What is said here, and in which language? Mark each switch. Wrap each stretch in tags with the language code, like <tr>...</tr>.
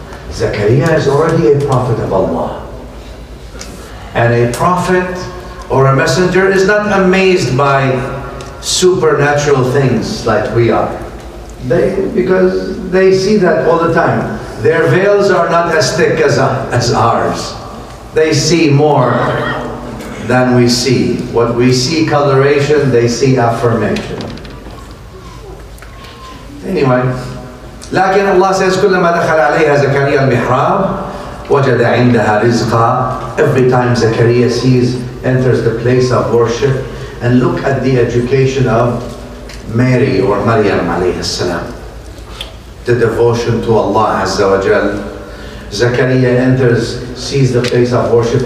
<en>Zakariya is already a prophet of Allah. And a prophet or a messenger is not amazed by supernatural things like we are. Because they see that all the time. Their veils are not as thick as ours. They see more than we see. What we see coloration, they see affirmation. Anyway,</en> <ar>لكن الله says كلما دخل عليها زكريا المحراب وجد عندها رزقا.</ar> <en>Every time Zakaria sees, enters the place of worship, and look at the education of Mary or Maryam عليه السلام. The devotion to Allah Azza wa Jal. Zakariya enters, sees the place of worship.</en>